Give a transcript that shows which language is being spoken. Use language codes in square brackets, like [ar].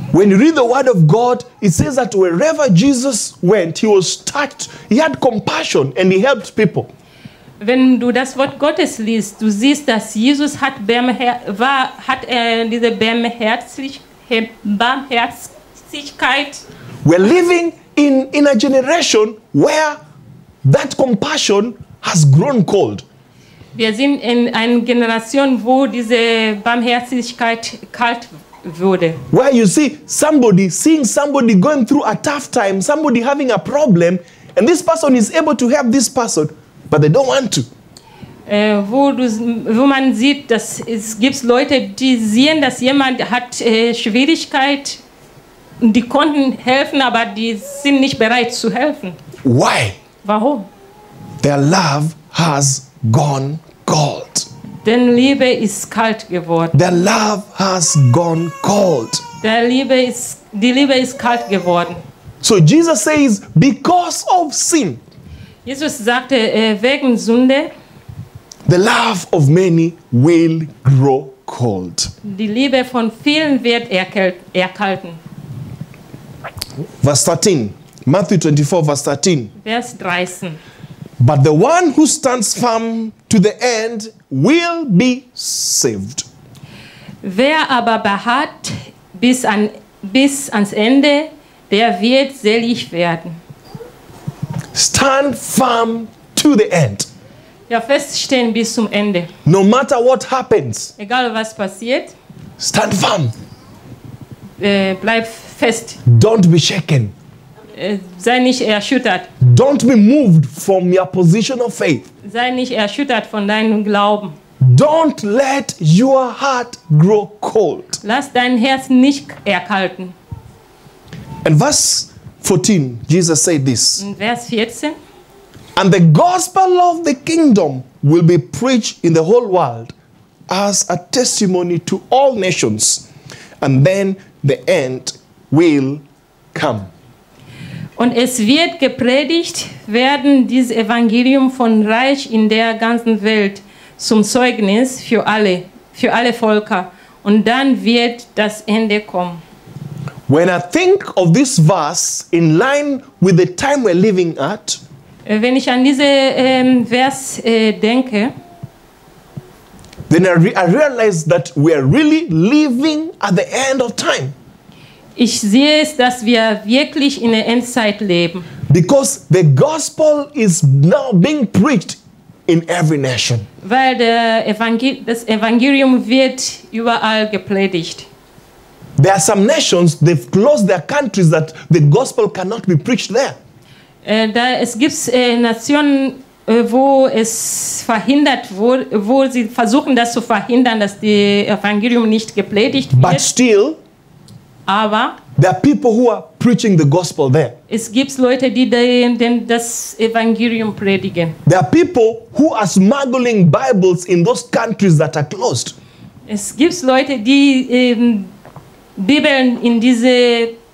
[en] When you read the word of God, it says that wherever Jesus went, he was touched. He had compassion and he helped people. [de] Wenn du das Wort Gottes liest, du siehst, dass Jesus diese Barmherzigkeit. [en] We're living in a generation where that compassion has grown cold. [de] Wir sind in einer Generation, wo diese Barmherzigkeit kalt wurde. [en] Where you see somebody, seeing somebody going through a tough time, somebody having a problem, and this person is able to help this person, but they don't want to. [de] Wo man sieht, dass es gibt Leute, die sehen, dass jemand hat Schwierigkeit, die konnten helfen, aber die sind nicht bereit zu helfen. [en] Why? [de] Warum? [en] Their love has gone cold. [de] Denn Liebe ist kalt geworden. [en] Their love has gone cold. [de] Die Liebe ist kalt geworden. [en] So Jesus says, because of sin. [de] Jesus sagte, wegen Sünde. [en] The love of many will grow cold. [de] Die Liebe von vielen wird erkalten. [en] Verse 13. Matthew 24, verse 13. [de] Vers 13. [en] But the one who stands firm to the end will be saved. [de] Wer aber beharrt bis ans Ende, der wird selig werden. [en] Stand firm to the end. [de] Ja, feststehen bis zum Ende. [en] No matter what happens. [de] Egal was passiert. [en] Stand firm. [de] Bleib fest. [en] Don't be shaken. [de] Sei nicht erschüttert. [en] Don't be moved from your position of faith. [de] Sei nicht erschüttert von deinem Glauben. [en] Don't let your heart grow cold. [de] Lass dein Herz nicht erkalten. [en] And verse 14, Jesus said this. [de] In Vers 14. [en] And the gospel of the kingdom will be preached in the whole world as a testimony to all nations. And then the end will come. [de] Und es wird gepredigt werden, dieses Evangelium von Reich in der ganzen Welt zum Zeugnis für alle Völker. Und dann wird das Ende kommen. [en] When I think of this verse in line with the time we're living at, [de] wenn ich an diese Vers denke, [en] then I realize that we are really living at the end of time. [de] Ich sehe es, dass wir wirklich in der Endzeit leben. [en] Because the gospel is now being preached in every nation. [de] Weil das Evangelium wird überall gepredigt. [en] There are some nations, they've closed their countries that the gospel cannot be preached there. [de] Es gibt Nationen, wo es verhindert wurde, wo sie versuchen, das zu verhindern, dass das Evangelium nicht gepredigt wird. [en] But still, [de] aber [en] there are people who are preaching the gospel there. [de] Es gibt Leute, die das Evangelium predigen. [en] There are people who are smuggling Bibles in those countries that are closed. [de] Es gibt Leute, die Bibeln in diese